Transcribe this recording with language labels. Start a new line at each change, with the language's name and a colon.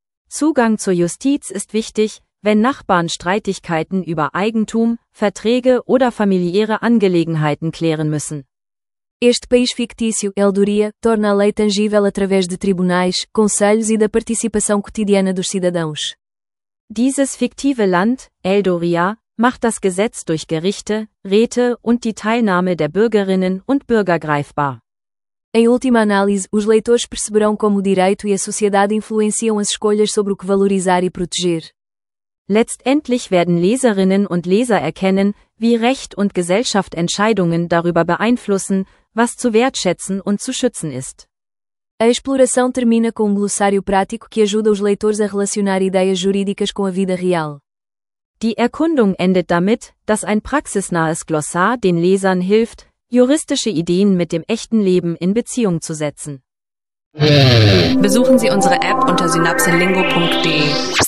German: Zugang zur Justiz ist wichtig, wenn Nachbarn Streitigkeiten über Eigentum, Verträge oder familiäre Angelegenheiten klären müssen.
Portuguese: Este país fictício, Eldoria, torna a lei tangível através de tribunais, conselhos e da participação cotidiana dos cidadãos.
German: Dieses fiktive Land, Eldoria, macht das Gesetz durch Gerichte, Räte und die Teilnahme der Bürgerinnen und Bürger greifbar.
Portuguese: Em última análise, os leitores perceberão como o direito e a sociedade influenciam as escolhas sobre o que valorizar e proteger.
German: Letztendlich werden Leserinnen und Leser erkennen, wie Recht und Gesellschaft Entscheidungen darüber beeinflussen, was zu wertschätzen und zu schützen ist.
Portuguese: A exploração termina com glossário prático que ajuda os leitores a relacionar ideias jurídicas com a vida real.
German: Die Erkundung endet damit, dass ein praxisnahes Glossar den Lesern hilft, juristische Ideen mit dem echten Leben in Beziehung zu setzen. Besuchen Sie unsere App unter synapselingo.de.